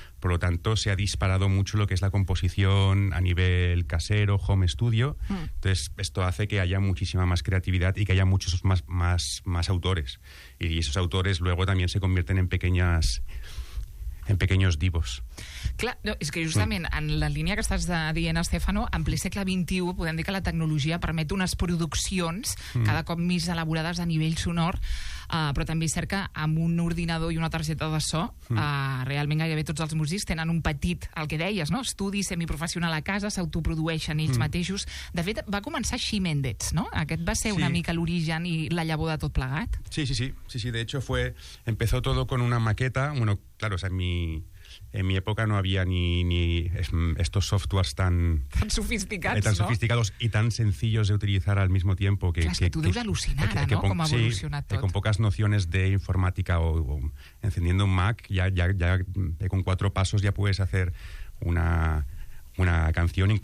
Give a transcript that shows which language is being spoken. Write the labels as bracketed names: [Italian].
[Spanish] Por lo tanto, se ha disparado mucho lo que es la composición a nivel casero, home studio. Entonces, esto hace que haya muchísima más creatividad y que haya muchos más autores. Y esos autores luego también se convierten en pequeños divos. [Catalan] Clar, no, és que justament en la línia que estàs dient, Estefano, en ple segle XXI podem dir que la tecnologia permet unes produccions cada cop més elaborades a nivell sonor, però també és cert que amb un ordinador i una targeta de so, realment gairebé tots els músics tenen un petit, el que deies, no?, estudi semiprofessional a casa, s'autoprodueixen ells mateixos. De fet, va començar així Mendez, no? Aquest va ser una mica l'origen i la llavor de tot plegat. [Spanish] Sí. De hecho, empezó todo con una maqueta. Bueno, claro, o sea, en mi época no había ni estos softwares tan sofisticados y tan sencillos de utilizar al mismo tiempo. Que tú debes alucinar, ¿no? Con pocas nociones de informática o encendiendo un Mac, ya con cuatro pasos ya puedes hacer una canción.